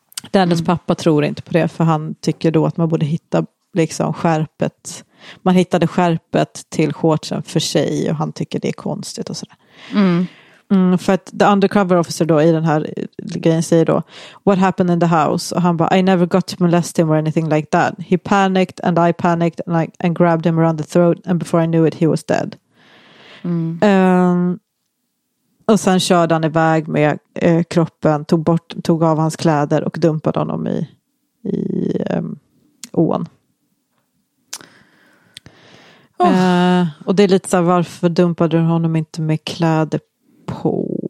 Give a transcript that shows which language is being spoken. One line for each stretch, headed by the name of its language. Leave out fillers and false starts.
Swedish: Daniels pappa tror inte på det, för han tycker då att man borde hitta liksom skärpet. Man hittade skärpet till shortsen för sig, och han tycker det är konstigt och sådär. För att
English: the undercover officer
Swedish: då i den här grejen säger då,
English: what happened in the house?
Swedish: Och han bara,
English: I never got to molest him or anything like that. He panicked and I panicked and grabbed him around the throat, and before I knew it he was dead.
Swedish: Och sen körde han iväg med kroppen, tog av hans kläder och dumpade honom i ån. Och det är lite så här, varför dumpade du honom inte med kläder på?